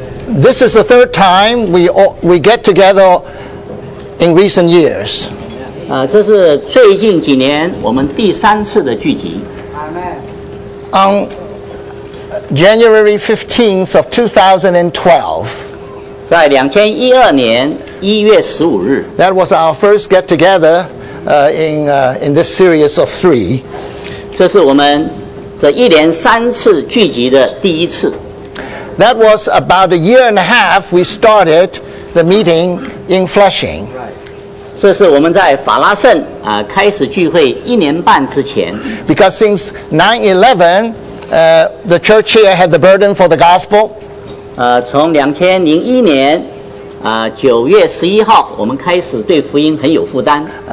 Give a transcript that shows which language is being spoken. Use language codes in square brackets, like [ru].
[en] This is the third time we get together in recent years. [zh] 这是最近几年我们第三次的聚集。 [en] On January 15th of 2012. [zh] 在2012年1月15日。 [en] That was our first get together in this series of three. [zh] 这是我们这一连三次聚集的第一次。 [en] That was about a year and a half we started the meeting in Flushing. [zh] 这是我们在法拉盛开始聚会一年半之前。 [en] Because since 9/11, the church here had the burden for the gospel. [zh] 从2001年9月11号我们开始对福音很有负担。